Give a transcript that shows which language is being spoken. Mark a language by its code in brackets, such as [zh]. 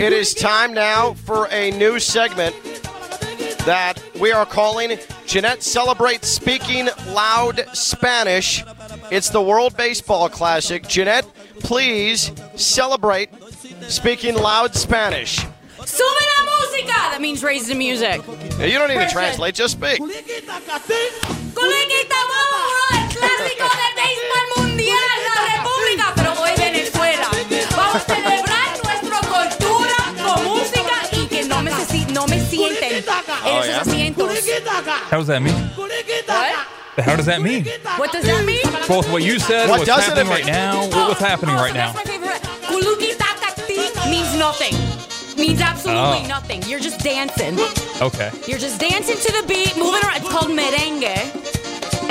[en] It is time now for a new segment that we are calling Jeanette Celebrates Speaking Loud Spanish. It's the World Baseball Classic. Jeanette, please celebrate speaking loud Spanish. [es] Sube la música! [en] That means raise the music. Now you don't need to translate, just speak. [es] Culiquita, vamos, bro! El clásico del béisbol mundial, la república, pero voy a Venezuela. Vamos a celebrar nuestra cultura con música y que no me, no me sienten en esos asientos. [en] How does that mean? What? How does that mean? What does that mean? Both what you said, what what's happening right now, what's happening right now. Culiquita means nothing. Means absolutely nothing. You're just dancing. Okay. You're just dancing to the beat, moving around. It's called merengue.